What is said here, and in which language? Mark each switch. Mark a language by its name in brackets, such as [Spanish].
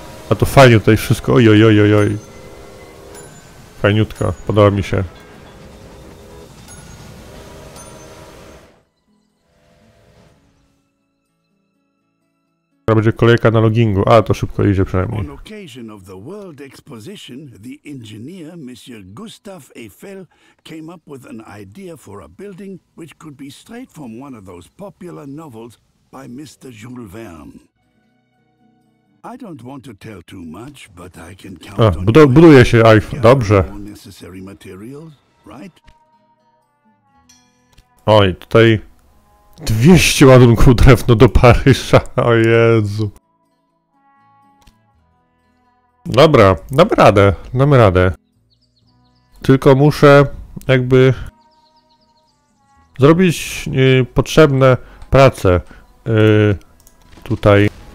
[Polish] A to fajnie tutaj wszystko, oj. Fajniutko, podoba mi się. Będzie kolejka na loggingu, a to szybko idzie przynajmniej. [English] On occasion of the World Exposition, the engineer Monsieur Gustave Eiffel came up with an idea for a building which could be straight from one of those popular novels by Mr. Jules Verne. I don't want to tell too much, but I can count on you. [Polish] Buduje się Eiffel, dobrze. [English] Necessary materials, right? [Polish] Oj, tutaj 200 ładunków drewna do Paryża, o Jezu. Dobra, damy radę. Tylko muszę jakby zrobić potrzebne prace tutaj.